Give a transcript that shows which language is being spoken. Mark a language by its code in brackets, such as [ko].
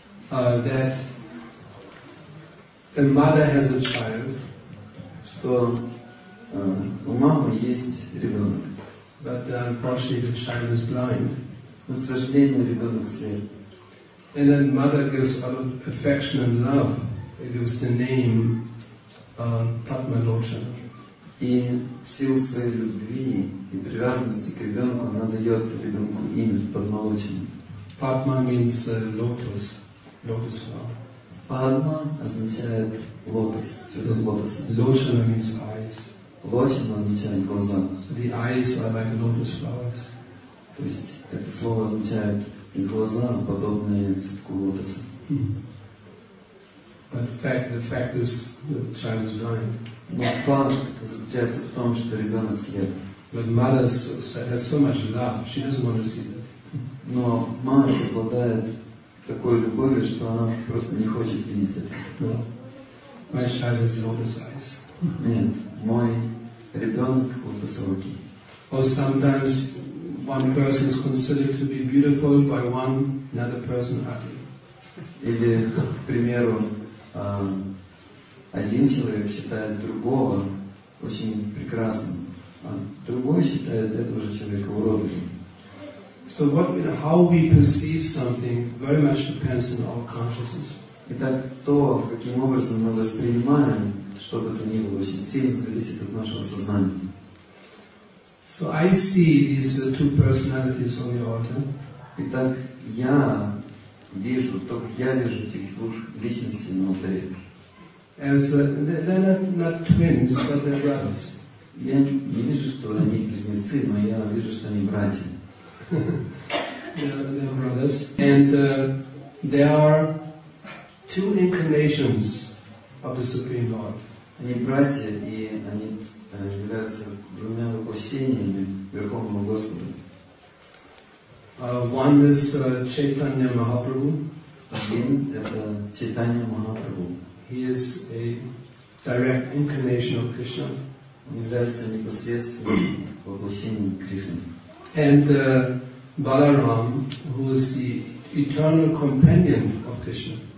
[en] That a mother has a child, [ru] что у мамы есть ребенок. [en] But unfortunately, the child is blind. [ru] Но, к сожалению, ребенок слеп. [en] And then mother gives out of affection and love. It is the name Padmalocha. [ru] И в силу своей любви и привязанности к ребенку она дает ребенку имя Падмалочана. [en] Padma means lotus, lotus flower. [ru] Padma означает лотос, цветок лотоса. [en] Lochana means eyes. [ru] Lochana означает глаза. [en] So the eyes are like lotus flowers. [ru] То есть это слово означает и глаза, подобные цветку лотоса. [en] But the fact is the child is blind. [ru] Но факт заключается в том, что ребенок слеп. [en] But mother has so much love, she doesn't want to see that. [ru] Но мама обладает такой любовью, что она просто не хочет видеть это. [en] My child has lotus eyes. [ru] Нет, мой ребенок лотосовый. [en] Or sometimes one person is considered to be beautiful by one, another person ugly. [ru] Или, к примеру, один человек считает другого очень прекрасным, а другой считает этого же человека уродливым. [en] So what, how we perceive something very much depends on our consciousness. [ru] Итак, то, каким образом мы воспринимаем, что бы то ни было, очень сильно зависит от нашего сознания. [en] So I see these two personalities on the altar. [ru] Итак, я вижу, только я вижу этих двух личностей на алтаре. [en] As they're not twins, but they're brothers. [ru] Я не вижу, что они близнецы, но я вижу, что они братья. [en] They're brothers, and there are two incarnations of the Supreme Lord. [ru] Они братья, и они являются двумя воплощениями Верховного Господа. [en] One is Chaitanya Mahaprabhu. [ru] Один – это Чайтанья Махапрабху. [en] He is a direct incarnation of Krishna. [ru] Он является непосредственным воплощением Кришны. [en] And Balaram, who is the eternal companion of Krishna.